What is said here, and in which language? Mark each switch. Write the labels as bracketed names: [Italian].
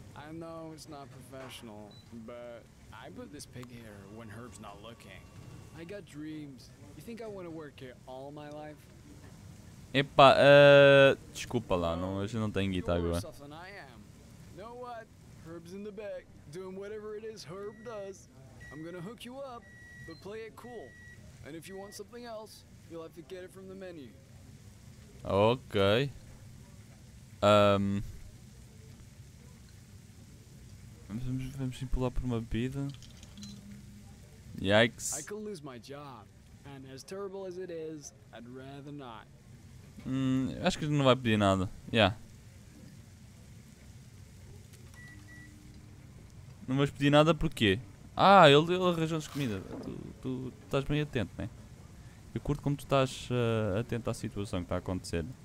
[English] I know it's not professional, but I put this pig here when Herb's not looking. I got dreams. You think I want to work here all my life? [Portuguese] Epa, desculpa lá, não, a gente não tem guitarra agora. [English] Know what? Herb's in the back, doing whatever it is Herb does. I'm gonna hook you up, but play it cool. And if you want something else, you'll have to get it from the menu. Ok. [Portuguese] Vamos pular por uma bebida. [English] Yikes. I could lose my job. And as terrible as it is, I'd rather not. [Portuguese] Acho que ele não vai pedir nada. [English] Yeah. [Portuguese] Não vais pedir nada porquê? Ah, ele arranjou as comidas. Tu estás bem atento, né? Eu curto como tu estás atento à situação que está a acontecer.